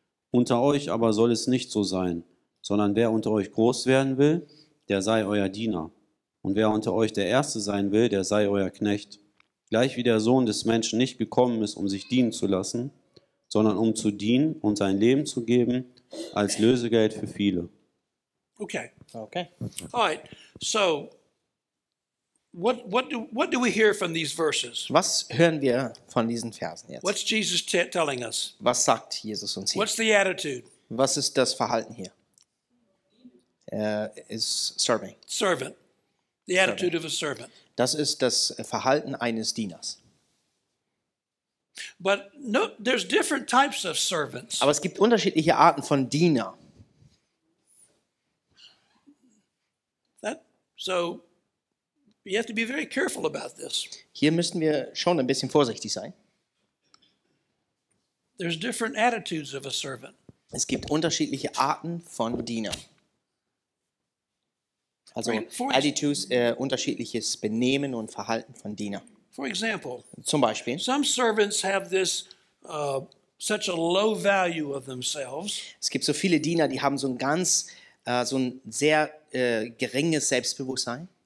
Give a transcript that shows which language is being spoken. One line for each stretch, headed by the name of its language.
German: Unter euch aber soll es nicht so sein, sondern wer unter euch groß werden will, der sei euer Diener. Und wer unter euch der Erste sein will, der sei euer Knecht. Gleich wie der Sohn des Menschen nicht gekommen ist, um sich dienen zu lassen, sondern um zu dienen und sein Leben zu geben, als Lösegeld für viele.
English: Okay. All right. So, what do we hear from these verses?
German: Was hören wir von diesen Versen jetzt?
English: What's Jesus telling us?
German: Was sagt Jesus uns hier?
English: What's the attitude?
German: Was ist das Verhalten hier?
English: Is serving. Servant. The attitude of a servant.
German: Das ist das Verhalten eines Dieners.
English: But no, there's different types of servants.
German: Aber es gibt unterschiedliche Arten von Diener.
English: So you have to be very careful about this.
German: Hier müssen wir schon ein bisschen vorsichtig sein.
English: There's different attitudes of a servant.
German: Es gibt unterschiedliche Arten von Diener. Also attitudes, unterschiedliches Benehmen und Verhalten von Diener.
English: For example,
German: zum Beispiel,
English: some servants have this such a low value of themselves.
German: Es gibt so viele Diener, die haben so ein ganz so ein sehr geringes Selbstbewusstsein.